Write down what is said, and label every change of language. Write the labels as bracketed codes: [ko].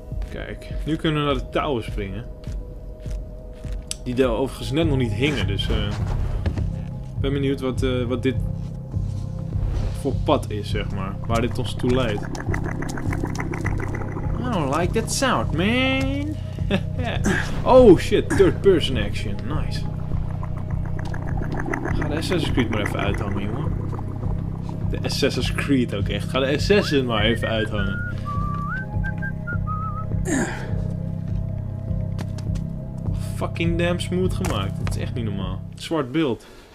[nl] Kijk, nu kunnen we naar de touwen springen. Die daar overigens net nog niet hingen, dus ik ben benieuwd wat dit voor pad is, zeg maar. Waar dit ons toe leidt. [en] I don't like that sound, man. Oh shit, third person action, nice. [nl] Ga de Assassin's Creed maar even uithangen, jongen. De Assassin's Creed ook echt. Ga de Assassin maar even uithangen. Fucking damn smooth gemaakt. Het is echt niet normaal. Zwart beeld.